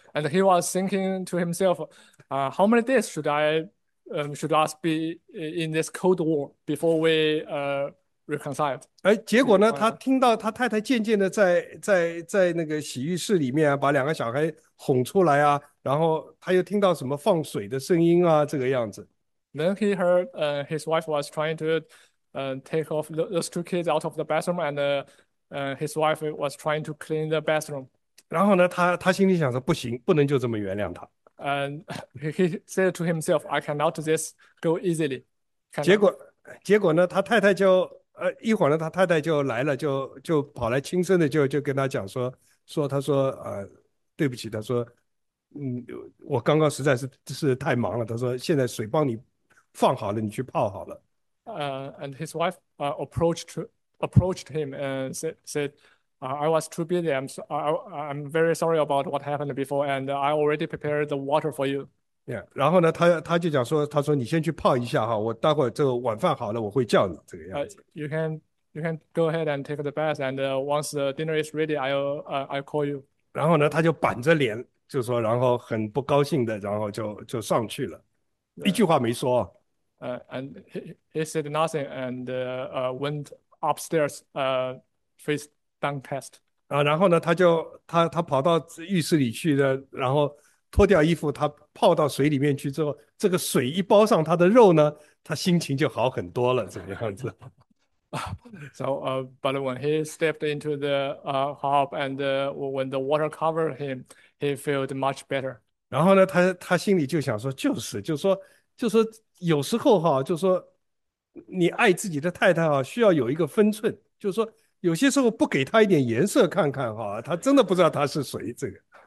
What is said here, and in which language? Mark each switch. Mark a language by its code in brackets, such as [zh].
[en] And he was thinking to himself, "How many days should us be in this cold war before we reconciled?" [zh] 哎，结果呢，他听到他太太渐渐的在那个洗浴室里面啊，把两个小孩哄出来啊，然后他又听到什么放水的声音啊，这个样子。 [en] Then he heard his wife was trying to take off those two kids out of the bathroom, and his wife was trying to clean the bathroom. [zh] 然后呢，他心里想说，不行，不能就这么原谅他。 [en] And he said to himself, "I cannot just go easily, cannot." [zh] 结果呢，他太太就一会儿呢，他太太就来了，就跑来轻声的就跟他讲说他说对不起，他说我刚刚实在是太忙了，他说现在水帮你放好了，你去泡好了。 [en] And his wife approached him and said, "I was too busy. I'm very sorry about what happened before, and I already prepared the water for you." [zh] Yeah, 然后呢，他就讲说，他说你先去泡一下哈，我待会儿这个晚饭好了，我会叫你这个样子。 [en] You can go ahead and take the bath, and once the dinner is ready, I'll call you. [zh] 然后呢，他就板着脸就说，然后很不高兴的，然后就上去了，一句话没说。 [en] And he said nothing and went upstairs, face downcast. [zh] 然后呢，他跑到浴室里去的，然后。脱掉衣服，他泡到水里面去之后，这个水一包上他的肉呢，他心情就好很多了，怎么样子？ [en] But when he stepped into the hob and when the water covered him, he felt much better. [zh] 然后呢，他心里就想说，就是说，有时候哈，就说你爱自己的太太哈，需要有一个分寸，就是说有些时候不给他一点颜色看看哈，他真的不知道他是谁这个。